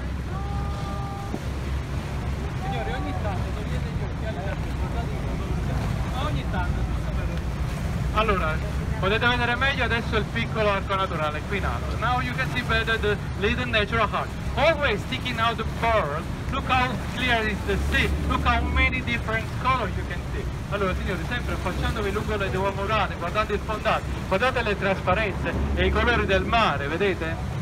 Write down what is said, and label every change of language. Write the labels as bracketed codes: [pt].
[it] Signore, ogni tanto togliete gli occhiali da qui, guardate che ogni tanto. Allora, potete vedere meglio adesso il piccolo arco naturale qui in alto. [en] Now you can see better the little natural arch. Always sticking out the pearls. Look how clear is the sea. Look how many different colors you can see. [it] Allora signori, sempre facendovi lungo le due murate, guardate il fondale, guardate le trasparenze e i colori del mare, vedete?